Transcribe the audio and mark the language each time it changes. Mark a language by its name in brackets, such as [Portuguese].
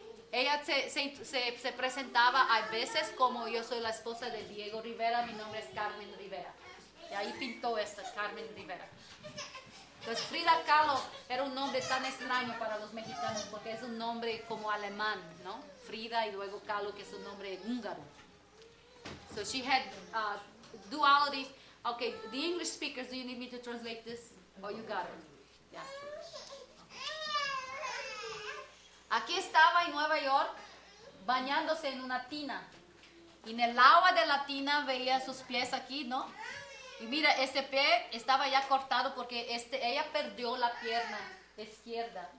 [Spanish] Ella se presentaba a veces como yo soy la esposa de Diego Rivera, mi nombre es Carmen Rivera. Y ahí pintó esta, Carmen Rivera. Entonces Frida Kahlo era un nombre tan extraño para los mexicanos porque es un nombre como alemán, ¿no? Frida y luego Kahlo, que es un nombre húngaro. [English] So she had duality. Okay, the English speakers, do you need me to translate this? Or you got it? Yeah. Okay. [Spanish] Aquí estaba en Nueva York bañándose en una tina. Y en el agua de la tina veía sus pies aquí, ¿no? Y mira, ese pie estaba ya cortado porque ella perdió la pierna izquierda.